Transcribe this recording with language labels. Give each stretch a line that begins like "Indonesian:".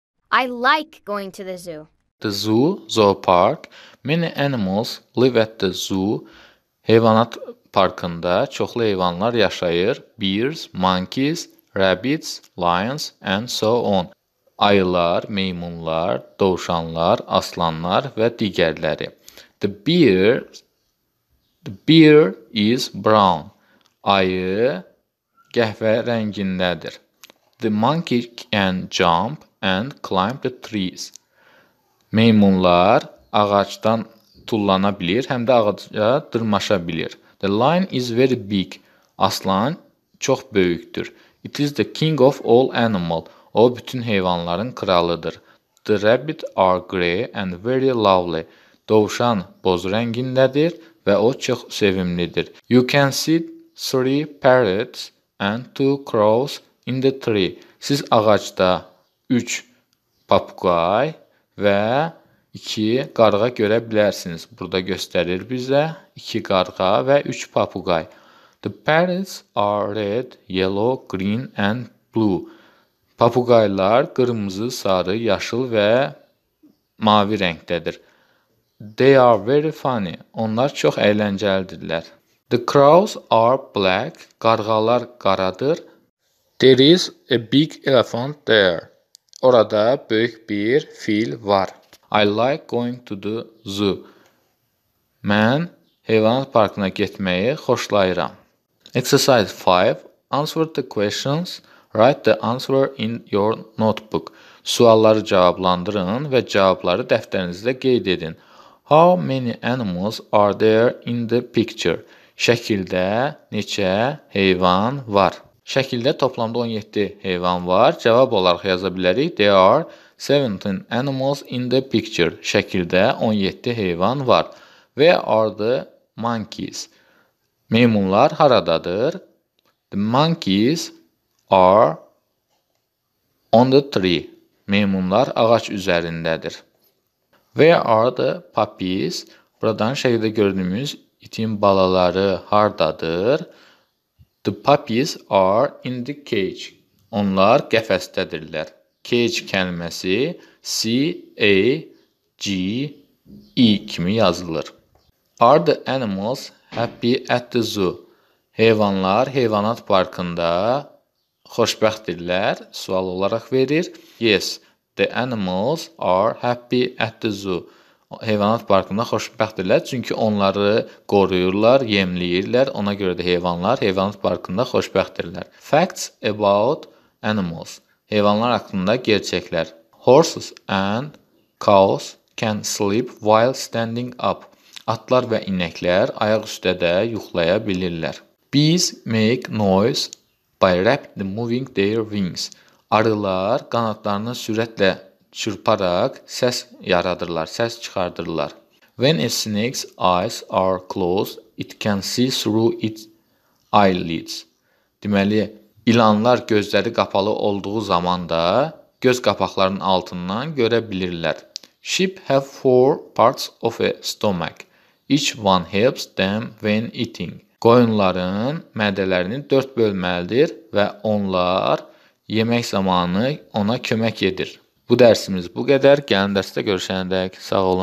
English: I like going to the zoo. The zoo, zoopark. Many animals live at the zoo.
Azerbaijani: Heyvanat parkında çoxlu heyvanlar yaşayır.
English: Bears, monkeys, rabbits, lions, and so on.
Azerbaijani: Ayılar, meymunlar, dovşanlar, aslanlar və digərləri.
English: The bear is brown.
Azerbaijani: Ayı qəhvə rəngindədir.
English: The monkey can jump and climb the trees.
Azerbaijani: Meymunlar ağacdan tullana bilir, həm də ağaca dırmaşa bilir.
English: The lion is very big.
Azerbaijani: Aslan çox böyükdür.
English: It is the king of all animals.
Azerbaijani: O, bütün heyvanların kralıdır.
English: The rabbit are grey and very lovely.
Azerbaijani: Dovşan boz rəngindədir və o çox sevimlidir.
English: You can see three parrots and two crows in the tree.
Azerbaijani: Siz ağacda 3 papuqay və 2 qarğa görə bilərsiniz. Burada göstərir bizə 2 qarğa və 3 papuqay.
English: The parrots are red, yellow, green and blue.
Azerbaijani: Papuqaylar qırmızı, sarı, yaşıl və mavi rəngdədir.
English: They are very funny.
Azerbaijani: Onlar çox əyləncəlidirlər.
English: The crows are black.
Azerbaijani: Qarğalar qaradır.
English: There is a big elephant there.
Azerbaijani: Orada böyük bir fil var.
English: I like going to the zoo.
Azerbaijani: Mən heyvanat parkına getməyi xoşlayıram.
English: Exercise 5. Answer the questions. Write the answer in your notebook.
Azerbaijani: Sualları cavablandırın və cavabları dəftərinizdə qeyd edin.
English: How many animals are there in the picture?
Azerbaijani: Şəkildə neçə heyvan var? Şəkildə toplamda 17 heyvan var. Cavab olaraq yaza bilərik.
English: There are 17 animals in the picture.
Azerbaijani: Şəkildə 17 heyvan var.
English: Where are the monkeys?
Azerbaijani: Meymunlar haradadır?
English: The monkeys are on the tree.
Azerbaijani: Meymunlar ağac üzərindədir.
English: Where are the puppies?
Azerbaijani: Buradan şəkildə gördüyümüz itin balaları haradadır?
English: The puppies are in the cage.
Azerbaijani: Onlar qəfəsdədirlər. Cage kəlməsi C-A-G-E kimi yazılır.
English: Are the animals happy at the zoo?
Azerbaijani: Heyvanlar heyvanat parkında xoşbəxtdirlər? Sual olaraq verir.
English: Yes, the animals are happy at the zoo.
Azerbaijani: heyvanat parkında xoşbəxtdirlər, çünki onları qoruyurlar, yemləyirlər, ona görə də heyvanlar heyvanat parkında xoşbəxtdirlər.
English: Facts about animals.
Azerbaijani: Heyvanlar haqqında gerçəklər.
English: Horses and cows can sleep while standing up.
Azerbaijani: Atlar və inəklər ayaq üstə də yuxlaya bilirlər.
English: Bees make noise by rapidly moving their wings.
Azerbaijani: Arılar qanadlarını sürətlə çırparaq səs yaradırlar, səs çıxardırlar.
English: When a snake's eyes are closed, it can see through its eyelids.
Azerbaijani: Deməli, ilanlar gözləri qapalı olduğu zaman da göz qapaqlarının altından görə bilirlər.
English: Sheep have four parts of a stomach. Each one helps them when eating.
Azerbaijani: Qoyunların mədələrinin 4 bölməlidir və onlar yemək zamanı ona kömək edir. Bu dərsimiz bu qədər. Gəlin dərsdə görüşənə dək. Sağ olun.